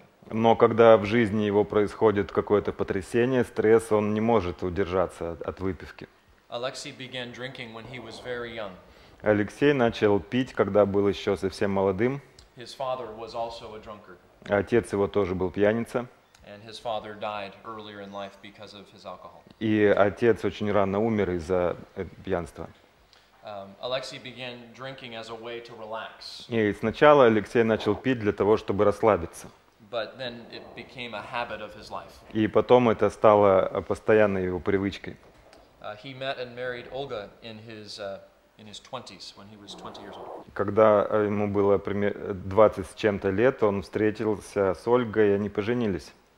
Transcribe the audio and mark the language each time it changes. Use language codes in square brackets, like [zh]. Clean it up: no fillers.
[ru] но когда в жизни его происходит какое-то потрясение, стресс, он не может удержаться от выпивки. Алексей начал пить, когда был еще совсем молодым. [en] His father was also a drunkard. [ru] Отец его тоже был пьяница. [en] And his father died earlier in life because of his alcohol. [ru] И отец очень рано умер из-за пьянства. [en] Alexei began drinking as a way to relax. [ru] И сначала Алексей начал пить для того, чтобы расслабиться. [en] But then it became a habit of his life. [ru] И потом это стало постоянной его привычкой. [en] He met and married Olga in his in his 20s, when he was 20 years old. [ru] Когда ему было 20 с чем-то лет, он встретился с Ольгой, и они поженились.